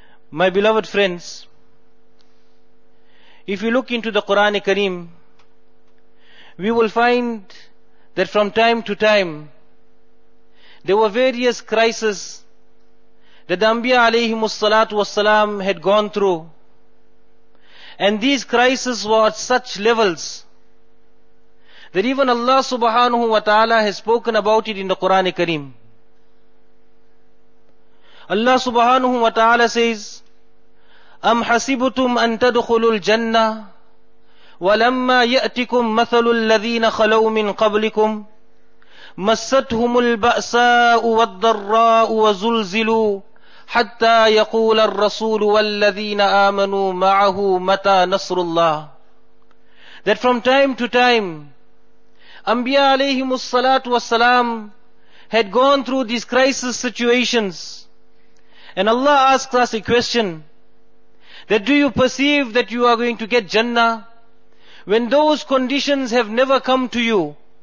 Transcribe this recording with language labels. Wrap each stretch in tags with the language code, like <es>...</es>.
<en>My beloved friends, if you look into the Quran Kareem, we will find that from time to time, there were various crises that the Anbiya alayhi salatu wassalam had gone through. And these crises were at such levels that even Allah subhanahu wa ta'ala has spoken about it in the Quran Kareem.</en> <ar>Allah subhanahu wa ta'ala says, أَمْ حَسِبُتُمْ أَن تَدْخُلُوا الْجَنَّةِ وَلَمَّا يَأْتِكُمْ مَثَلُ الَّذِينَ خَلَوْا مِنْ قَبْلِكُمْ مستهم البأساء والضراء وزلزلوا حتى يقول الرسول والذين آمنوا معه متى نصر الله.</ar> <en>That from time to time, Anbiya alayhim as-salatu was-salam had gone through these crisis situations. And Allah asked us a question, that do you perceive that you are going to get Jannah when those conditions have never come to you?</en>